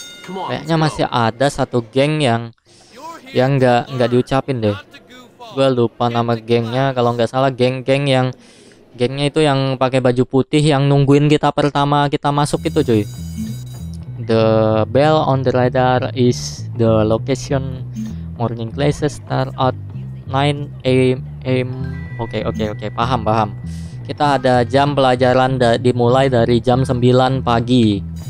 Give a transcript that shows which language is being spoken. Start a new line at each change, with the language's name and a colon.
Indonesian: Kayaknya masih ada satu geng yang nggak diucapin deh. Gua lupa nama gengnya. Kalau nggak salah geng-geng yang gengnya itu yang pakai baju putih yang nungguin kita pertama kita masuk itu cuy.
English: The bell on the radar is the location. Morning classes start at 9 a.m.
Indonesian: Okay. Paham. Kita ada jam pelajaran dimulai dari jam 9 pagi.